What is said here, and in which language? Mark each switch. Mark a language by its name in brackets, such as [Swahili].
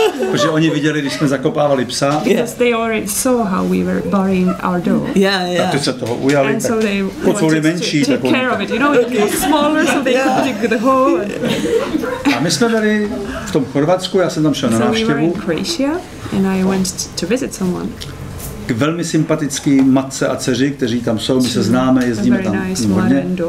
[Czech] Protože oni viděli, když jsme zakopávali psa. [English] Because they already saw how we were burying our dog. Yeah. [Czech] Tak se toho ujali. [English] And so they wanted to take care of it. You know, it was smaller, so they could dig the hole. [Czech] A my jsme byli v tom Chorvatsku, já jsem tam šel na návštěvu. [English] So we were in Croatia, and I went to visit someone. [Czech] K velmi sympatický matce a dceři, kteří tam jsou, my se známe, jezdíme tam hodně.